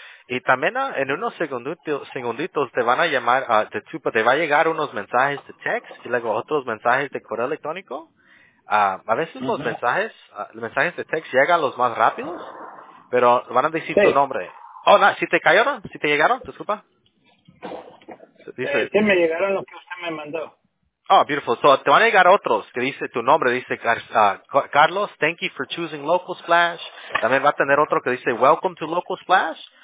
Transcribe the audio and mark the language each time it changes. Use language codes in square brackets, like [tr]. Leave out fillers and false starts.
[es] Y también en unos segunditos te van a llamar, te va a llegar unos mensajes de text y luego otros mensajes de correo electrónico. A veces uh-huh. los mensajes de text llegan los más rápidos, pero van a decir sí. tu nombre. Si te llegaron, disculpa. Dice, me llegaron los que usted me mandó. [en] Oh, beautiful. [es] So, te van a llegar otros que dice tu nombre. Dice, [en] Carlos, thank you for choosing Local Splash. [es] También va a tener otro que dice, [en] welcome to Local Splash.